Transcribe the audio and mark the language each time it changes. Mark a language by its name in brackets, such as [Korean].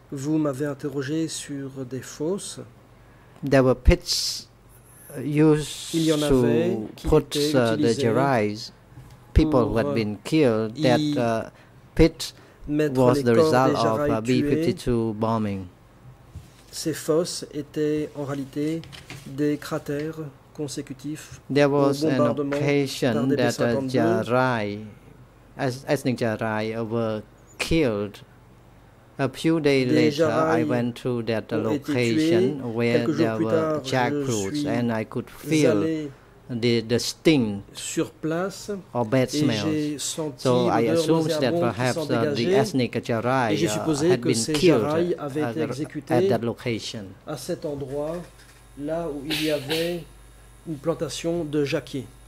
[French] Vous m'avez interrogé sur des fosses. [English] There were pits used [French] il y en [English] to [French] avait [English] put the jurys, people who had been killed, that pit was the result of a B-52 bombing. [French] Ces fosses étaient en réalité des cratères consécutifs. [English] There was an occasion that a Jarai, ethnic Jarai, were killed. A few days later, I went to that location where there were jackfruits, and I could feel the sting [French] sur place, [English] or bad smells. So I assume that perhaps the ethnic Jarai had been killed at that location. [French] À cet endroit, là où il y avait une plantation de jacquier.